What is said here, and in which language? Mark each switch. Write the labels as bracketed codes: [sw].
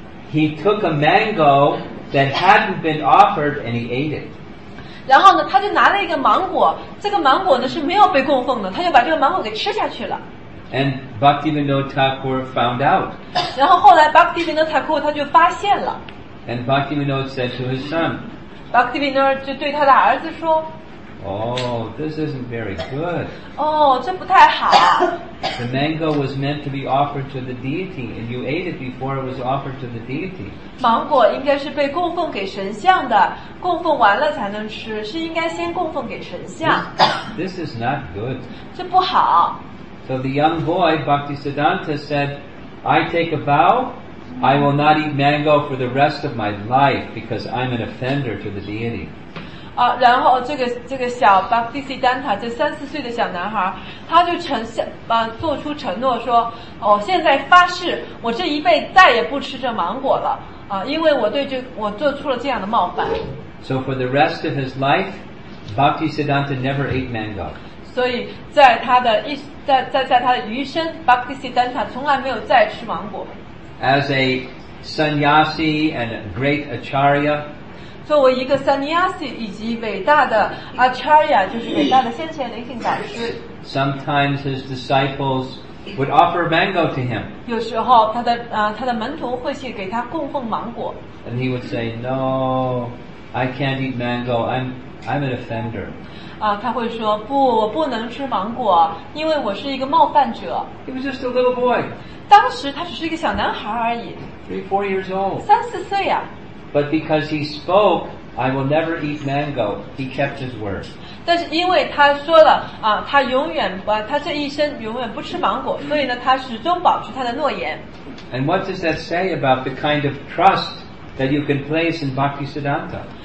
[en] he took a mango that hadn't been offered and he ate it. [zh] 然后呢，他就拿了一个芒果，这个芒果呢是没有被供奉的，他就把这个芒果给吃下去了。 [en] And Bhakti Vinod Thakur found out. [zh] 然后后来 Bhakti Vinod Thakur 他就发现了。 [en] And Bhakti Vinod said to his son. [zh] Bhakti Vinod 就对他的儿子说。 [en] Oh, this isn't very good. [zh] 这不太好。 [en] The mango was meant to be offered to the deity, and you ate it before it was offered to the deity. [zh] 芒果应该是被供奉给神像的，供奉完了才能吃，是应该先供奉给神像。 [en] This is not good. [zh] 这不好。 [en] So the young boy, Bhaktisiddhanta, said, I take a vow, I will not eat mango for the rest of my life because I'm an offender to the deity. [zh] 然后这个小 Bhaktisiddhanta 这三四岁的小男孩，他就做出承诺说，现在发誓，我这一辈再也不吃这芒果了，因为我做出了这样的冒犯。 [en] So for the rest of his life, Bhaktisiddhanta never ate mango. [zh] 所以在他的余生 ，Bhaktisiddhanta 从来没有再吃芒果。 [en] As a sannyasi and a great acharya. [zh] 作为一个 sannyasi 以及伟大的 acharya 就是伟大的先贤灵性导师 [en] sometimes his disciples would offer mango to him [zh] 有时候他的门徒会去给他供奉芒果 [en] and he would say no I can't eat mango. I'm an offender. [zh] 啊，他会说不，我不能吃芒果，因为我是一个冒犯者。 [en] He was just a little boy. [zh] 当时他只是一个小男孩而已。 [en] 3-4 years old. [zh] 三四岁呀。 [en] But because he spoke, I will never eat mango. He kept his word. [zh] 但是因为他说了啊，他永远不，他这一生永远不吃芒果，所以呢，他始终保持他的诺言。 [en] And what does that say about the kind of trust that you can place in Bhakti Siddhanta?